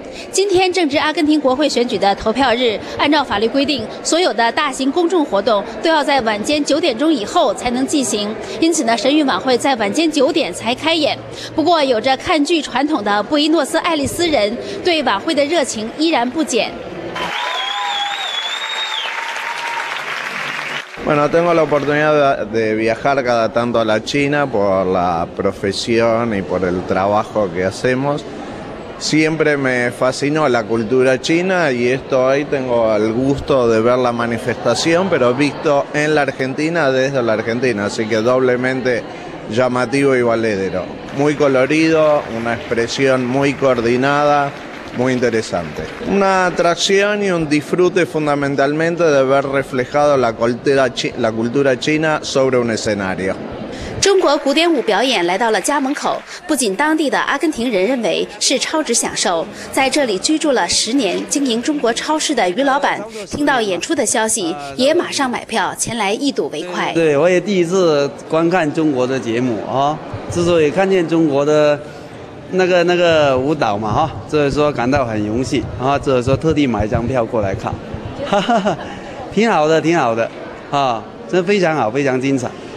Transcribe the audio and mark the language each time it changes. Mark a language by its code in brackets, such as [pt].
[zh] 今天正值阿根廷国会选举的投票日，按照法律规定，所有的大型公众活动都要在晚间9点以后才能进行，因此呢，神韵晚会在晚间9点才开演。不过有着看剧传统的布宜诺斯艾利斯人对晚会的热情依然不减。 [es] Bueno, tengo la oportunidad de viajar cada tanto a la China por la profesión y por el trabajo que hacemosSiempre me fascinó la cultura china y esto hoy tengo el gusto de ver la manifestación, pero visto en la Argentina desde la Argentina, así que doblemente llamativo y valedero. Muy colorido, una expresión muy coordinada, muy interesante. Una atracción y un disfrute fundamentalmente de ver reflejado la cultura china sobre un escenario. [zh] 中国古典舞表演来到了家门口，不仅当地的阿根廷人认为是超值享受，在这里居住了10年经营中国超市的于老板听到演出的消息也马上买票前来一睹为快。对，我也第一次观看中国的节目啊，之所以看见中国的那个舞蹈嘛哈，所以说感到很荣幸啊，所以说特地买一张票过来看，哈哈，挺好的挺好的啊，真非常好，非常精彩。